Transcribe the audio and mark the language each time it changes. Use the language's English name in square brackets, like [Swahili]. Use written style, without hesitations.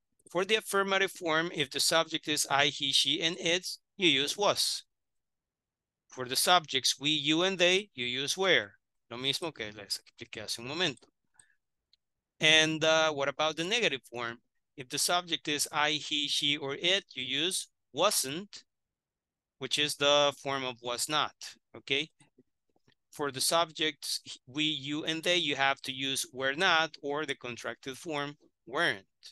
[English] For the affirmative form, if the subject is I, he, she, and it, you use was. For the subjects we, you, and they, you use where. [Spanish] Lo mismo que les expliqué hace un momento. [English] And what about the negative form? If the subject is I, he, she, or it, you use wasn't, which is the form of was not, okay? For the subjects we, you, and they, you have to use were not or the contracted form weren't.